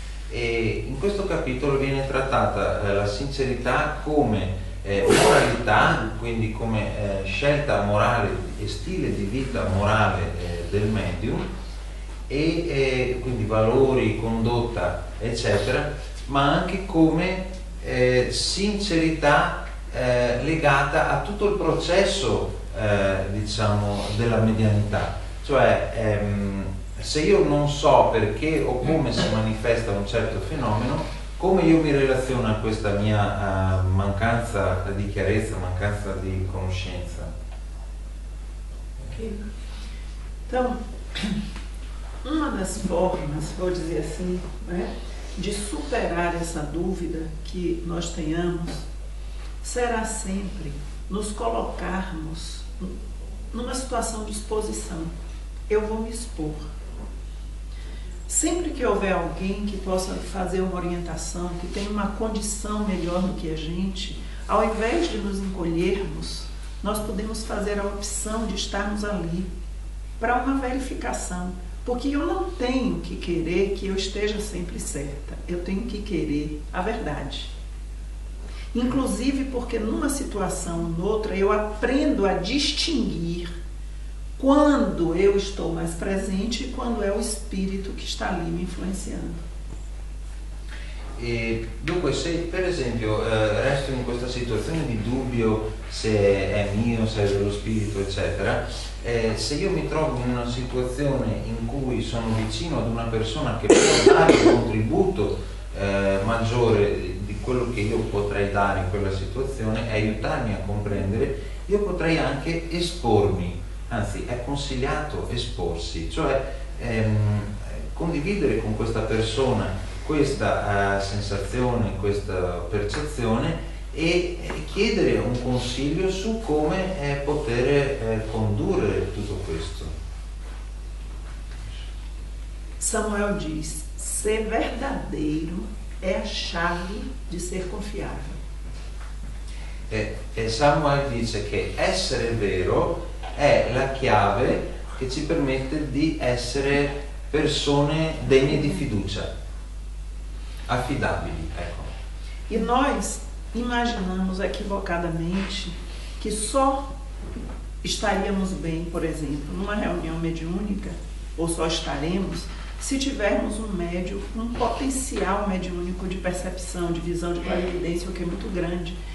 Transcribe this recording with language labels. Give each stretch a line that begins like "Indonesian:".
Italian: E in questo capitolo viene trattata la sincerità come moralità, quindi come scelta morale e stile di vita morale del medium, e quindi valori, condotta, eccetera, ma anche come sincerità legata a tutto il processo, diciamo, della medianità. Cioè, se io non so perché o come si manifesta un certo fenomeno, come io mi relaziono a questa mia mancanza di chiarezza, mancanza di conoscenza?
Portuguese: Então, uma das formas, vou dizer assim, né, de superar essa dúvida que nós tenhamos será sempre nos colocarmos numa situação de exposição. Eu vou me expor. Sempre que houver alguém que possa fazer uma orientação, que tenha uma condição melhor do que a gente, ao invés de nos encolhermos, nós podemos fazer a opção de estarmos ali para uma verificação. Porque eu não tenho que querer que eu esteja sempre certa. Eu tenho que querer a verdade. Inclusive porque numa situação ou noutra eu aprendo a distinguir quando eu estou mais presente e quando é o espírito que está ali me influenciando.
Italian: E, dunque, se per esempio resto in questa situazione di dubbio se è mio, se è dello spirito, eccetera, se io mi trovo in una situazione in cui sono vicino ad una persona che può dare un contributo maggiore di quello che io potrei dare in quella situazione e aiutarmi a comprendere, io potrei anche espormi, anzi è consigliato esporsi, cioè condividere con questa persona questa sensazione, questa percezione e chiedere un consiglio su come poter condurre tutto questo.
Portuguese: Samuel diz: ser verdadeiro è a chave di ser confiável.
Italian: E Samuel dice che essere vero è la chiave che ci permette di essere persone degne di fiducia. Affidabili, ecco.
Portuguese: E nós imaginamos equivocadamente que só estaríamos bem, por exemplo, numa reunião mediúnica, ou só estaremos, se tivermos um médium com um potencial mediúnico de percepção, de visão, de clarividência, o que é muito grande.